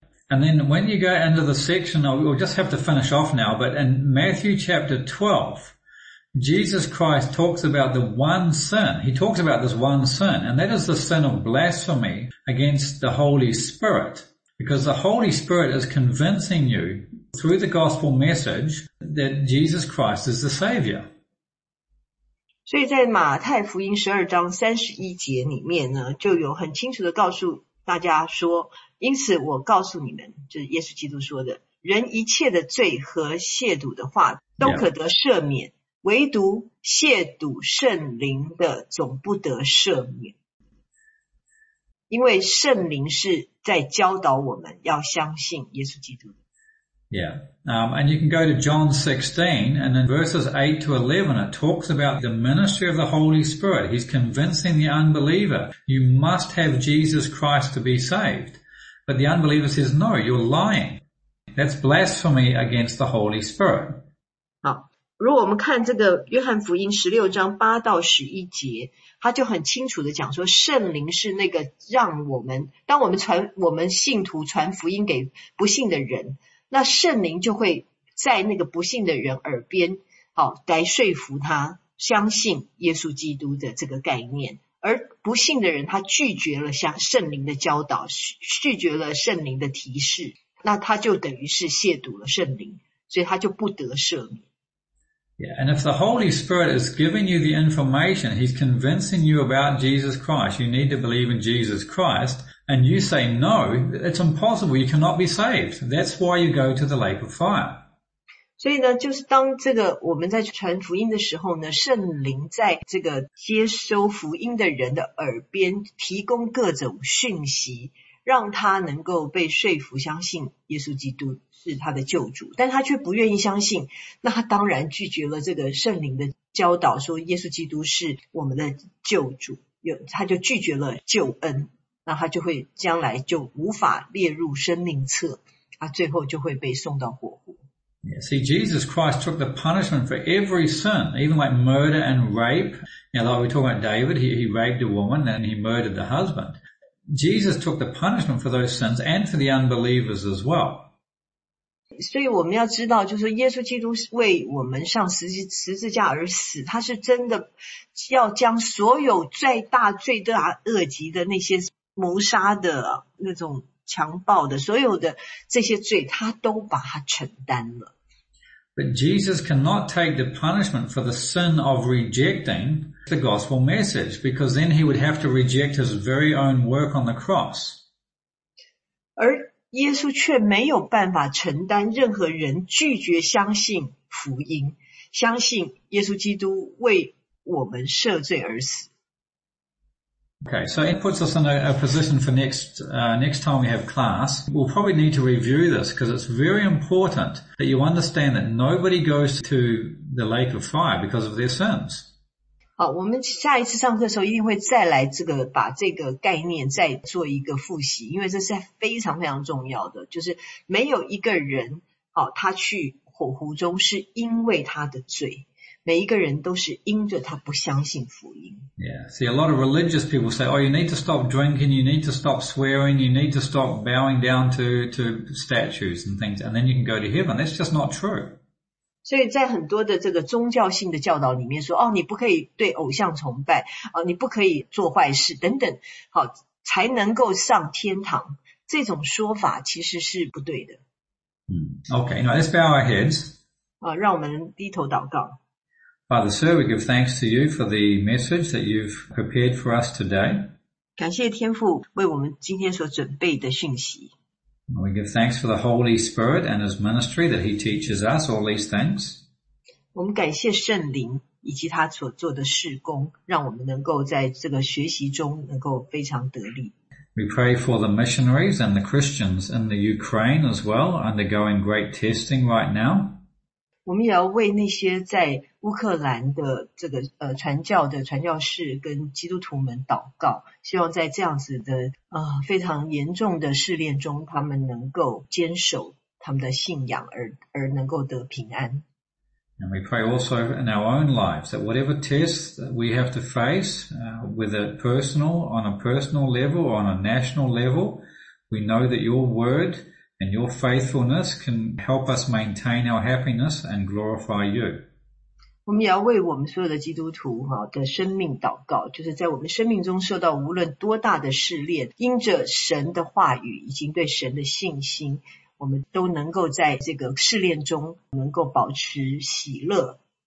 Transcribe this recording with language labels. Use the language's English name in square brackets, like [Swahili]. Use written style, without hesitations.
[English] And then when you go into the section, we'll just have to finish off now, but in Matthew chapter 12, Jesus Christ talks about the one sin. He talks about this one sin, and that is the sin of blasphemy against the Holy Spirit. Because the Holy Spirit is convincing you through the gospel message that Jesus Christ is the Savior. [Chinese] 所以在马太福音十二章三十一节里面呢，就有很清楚的告诉大家说，因此我告诉你们，就是耶稣基督说的，人一切的罪和亵渎的话都可得赦免、yeah. 唯独亵渎圣灵的总不得赦免。因为圣灵是在教导我们要相信耶稣基督。 [English] Yeah, and you can go to John 16, and in verses 8 to 11, it talks about the ministry of the Holy Spirit. He's convincing the unbeliever, you must have Jesus Christ to be saved. But the unbeliever says, no, you're lying. That's blasphemy against the Holy Spirit. [Chinese] 好，如果我们看这个约翰福音16章8到11节，他就很清楚地讲说，圣灵是那个让我们，当我们传，我们信徒传福音给不信的人，那圣灵就会在那个不信的人耳边好来说服他相信耶稣基督的这个概念，而不信的人他拒绝了像圣灵的教导，拒绝了圣灵的提示，那他就等于是亵渎了圣灵，所以他就不得赦免。 [English] Yeah, and if the Holy Spirit is giving you the information, he's convincing you about Jesus Christ, you need to believe in Jesus Christ,And you say, no, it's impossible, you cannot be saved. That's why you go to the lake of fire. [Chinese] 所以呢，就是当这个我们在传福音的时候呢，圣灵在这个接收福音的人的耳边提供各种讯息，让他能够被说服相信耶稣基督是他的救主，但他却不愿意相信，那他当然拒绝了这个圣灵的教导，说耶稣基督是我们的救主，他就拒绝了救恩。那他就会将来就无法列入生命册，他最后就会被送到火湖。 [English] Yeah, see, Jesus Christ took the punishment for every sin, even like murder and rape. Now, like we talk about David, he raped a woman and he murdered the husband. Jesus took the punishment for those sins and for the unbelievers as well. [Chinese] 所以我们要知道，就是耶稣基督为我们上十字架而死，他是真的要将所有最大最大恶极的那些谋杀的那种强暴的所有的这些罪他都把它承担了。 [English] But Jesus cannot take the punishment for the sin of rejecting the gospel message, because then he would have to reject his very own work on the cross. [Chinese] 而耶稣却没有办法承担任何人拒绝相信福音，相信耶稣基督为我们赦罪而死。 [English] Okay, so it puts us in a position for next time we have class. We'll probably need to review this because it's very important that you understand that nobody goes to the lake of fire because of their sins. [Chinese] 好，我们下一次上课的时候一定会再来这个，把这个概念再做一个复习，因为这是非常非常重要的，就是没有一个人，好，他去火湖中是因为他的罪。每一个人都是因着他不相信福音。 [English] Yeah, see a lot of religious people say, oh, you need to stop drinking, you need to stop swearing, you need to stop bowing down to statues and things, and then you can go to heaven. That's just not true. [Chinese] 所以在很多的这个宗教性的教导里面说，哦，你不可以对偶像崇拜，哦，你不可以做坏事等等，好，才能够上天堂。这种说法其实是不对的。 [English] Okay, now let's bow our heads. [Chinese] 哦，让我们低头祷告。 [English] Father, sir, we give thanks to you for the message that you've prepared for us today. [Chinese] 感谢天父为我们今天所准备的讯息。 [English] We give thanks for the Holy Spirit and his ministry that he teaches us all these things. [Chinese] 我们感谢圣灵以及他所做的事工，让我们能够在这个学习中能够非常得力。 [English] We pray for the missionaries and the Christians in the Ukraine as well, undergoing great testing right now. [Chinese] 我们也要为那些在乌克兰的这个传教的传教士跟基督徒们祷告，希望在这样子的非常严重的试炼中，他们能够坚守他们的信仰而能够得平安。 [English] And we pray also in our own lives that whatever tests that we have to face, whether personal, on a personal level or on a national level, we know that your word. And your faithfulness can help us maintain our happiness and glorify you. [Chinese] 我们也要为我们所有的基督徒的生命祷告，就是在我们生命中受到无论多大的试炼，因着神的话语以及对神的信心，我们都能够在这个试炼中能够保持喜乐。